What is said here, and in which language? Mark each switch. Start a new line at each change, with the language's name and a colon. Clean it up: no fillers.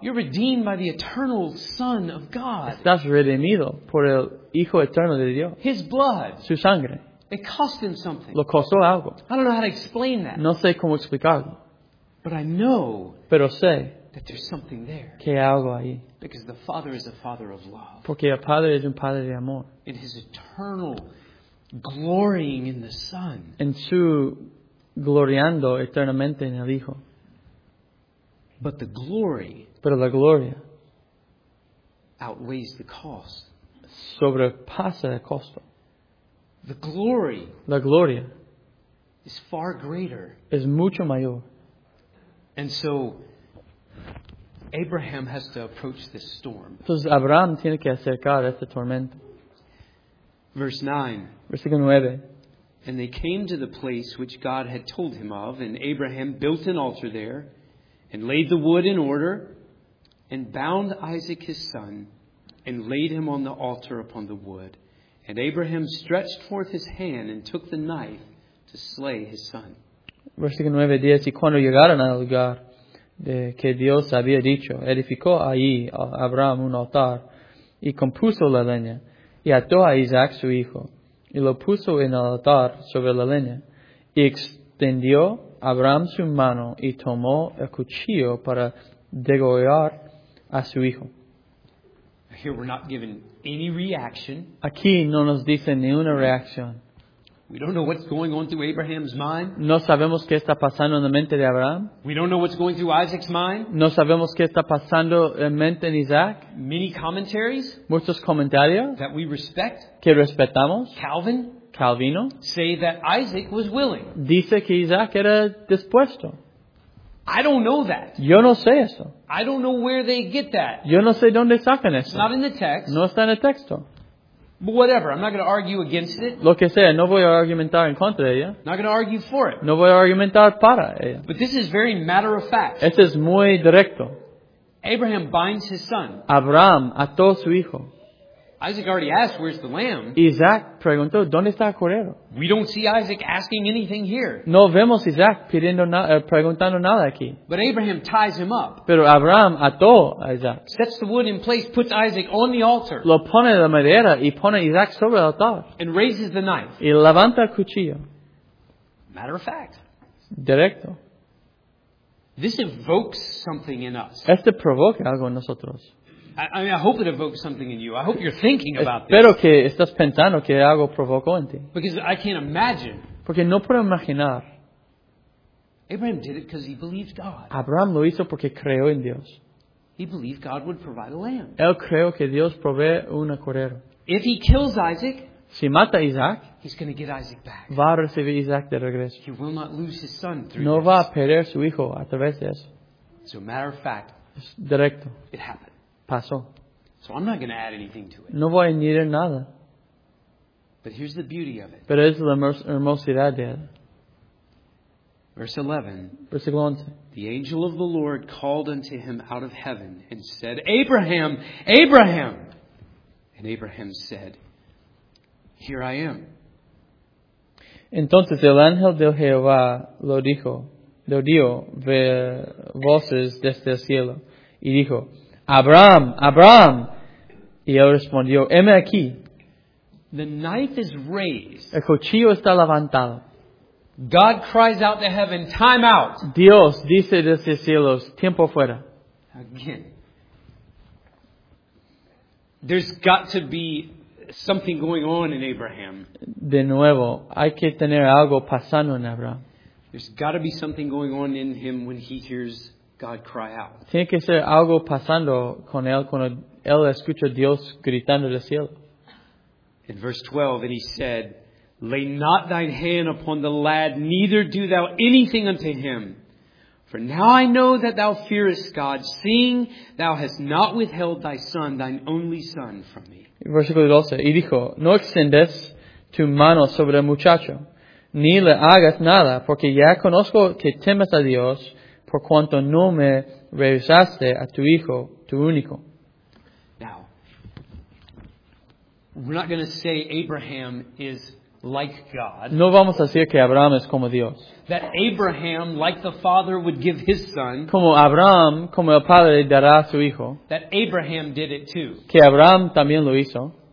English: You're redeemed by the eternal Son of God.
Spanish: Estás redimido por el Hijo eterno de Dios.
English: His blood.
Spanish: Su sangre.
English: It cost him something.
Spanish: Lo costó algo.
English: I don't know how to explain that.
Spanish: No sé cómo explicarlo.
English: But I know.
Spanish: Pero sé.
English: That there's something there.
Spanish: Que hay algo ahí.
English: Because the Father is a Father of love.
Spanish: Porque el Padre es un Padre de amor.
English: In His eternal glorying in the Son.
Spanish: En su gloriando eternamente en el Hijo.
English: But the glory,
Spanish: pero la gloria,
English: outweighs the cost.
Spanish: Sobrepasa el costo.
English: The glory,
Spanish: la gloria,
English: is far greater.
Spanish: Es mucho mayor.
English: And so, Abraham has to approach this storm.
Spanish: Entonces Abraham tiene que acercar a este tormento.
English: Verse 9. And they came to the place which God had told him of, and Abraham built an altar there. And laid the wood in order, and bound Isaac his son, and laid him on the altar upon the wood. And Abraham stretched forth his hand and took the knife to slay his son.
Spanish: Versículo 9:10. Y cuando llegaron al lugar de que Dios había dicho, edificó allí Abraham un altar, y compuso la leña, y ató a Isaac su hijo, y lo puso en el altar sobre la leña, y extendió Abraham su mano y tomó el cuchillo para degollar a su hijo.
English: Here we're not given any reaction.
Spanish: Aquí no nos dicen ni una reacción.
English: We don't know what's going on through Abraham's mind.
Spanish: No sabemos qué está pasando en la mente de Abraham.
English: We don't know what's going through Isaac's mind.
Spanish: No sabemos qué está pasando en mente de Isaac.
English: Many commentaries.
Spanish: Muchos comentarios.
English: That we respect.
Spanish: Que respetamos.
English: Calvin.
Spanish: Calvino,
English: say that Isaac was willing.
Spanish: Dice que Isaac era dispuesto.
English: I don't know that.
Spanish: Yo no sé eso.
English: I don't know where they get that.
Spanish: Yo no sé dónde sacan eso.
English: Not in the text.
Spanish: No está en el texto.
English: But whatever, I'm not going to argue against it.
Spanish: Lo que sea, no voy a argumentar en contra de ella.
English: Not going to argue for it.
Spanish: No voy a argumentar para ella.
English: But this is very matter of fact.
Spanish: Esto es muy directo.
English: Abraham binds his son.
Spanish: Abraham ató su hijo.
English: Isaac already asked, "Where's the lamb?"
Spanish: Isaac preguntó, ¿dónde está el cordero?
English: We don't see Isaac asking anything here.
Spanish: No vemos Isaac pidiendo preguntando nada aquí.
English: But Abraham ties him up.
Spanish: Pero Abraham ató a Isaac.
English: Sets the wood in place, puts Isaac on the altar.
Spanish: Lo pone la madera y pone Isaac sobre el altar.
English: And raises the knife.
Spanish: Y levanta el cuchillo.
English: Matter of fact.
Spanish: Directo.
English: This evokes something in us.
Spanish: Este provoca algo en nosotros.
English: I mean, I hope it evokes something in you. I hope you're thinking about this.
Spanish: Espero que estás pensando que algo provocó en ti.
English: Because I can't imagine.
Spanish: Porque no puedo imaginar.
English: Abraham did it because he believed God.
Spanish: Abraham lo hizo porque creyó en Dios.
English: He believed God would provide a lamb.
Spanish: Él creyó que Dios provee un cordero.
English: If he kills Isaac,
Spanish: si mata a Isaac,
English: he's going to get Isaac back.
Spanish: Va a recibir a Isaac de regreso.
English: He will not lose his son through
Spanish: no
English: this.
Spanish: Va a perder su hijo a través de eso.
English: So, matter of fact,
Spanish: Es directo.
English: It happened.
Spanish: Pasó.
English: So I'm not going to add anything to it.
Spanish: No voy a añadir nada.
English: But here's the beauty of it.
Spanish: Pero es la hermosidad de él.
English: Verse 11.
Spanish: Versículo 11.
English: The angel of the Lord called unto him out of heaven and said, Abraham, Abraham. And Abraham said, Here I am.
Spanish: Entonces el ángel de Jehová lo dijo, lo dio ve voces desde el cielo y dijo, Abraham, Abraham. Y él respondió, heme aquí.
English: The knife is raised.
Spanish: El cuchillo está levantado.
English: God cries out to heaven, time out.
Spanish: Dios dice desde los cielos, tiempo fuera.
English: Again. There's got to be something going on in Abraham.
Spanish: De nuevo, hay que tener algo pasando en Abraham.
English: There's got to be something going on in him when he hears God cry out.
Spanish: Tiene que ser algo pasando con él cuando él escucha a Dios gritando desde el cielo.
English: In verse 12, and he said, Lay not thine hand upon the lad, neither do thou anything unto him. For now I know that thou fearest God, seeing thou hast not withheld thy son, thine only son, from me.
Spanish: Versículo 12. Y dijo, No extendes tu mano sobre el muchacho, ni le hagas nada, porque ya conozco que temes a Dios, por cuanto no me rehusaste a tu hijo, tu único.
English: Now, we're not going to say Abraham is like God.
Spanish: No vamos a decir que Abraham es como Dios.
English: That Abraham, like the father, would give his son.
Spanish: Como Abraham, como el padre, dará a su hijo.
English: That Abraham did it too.
Spanish: Que Abraham también lo hizo.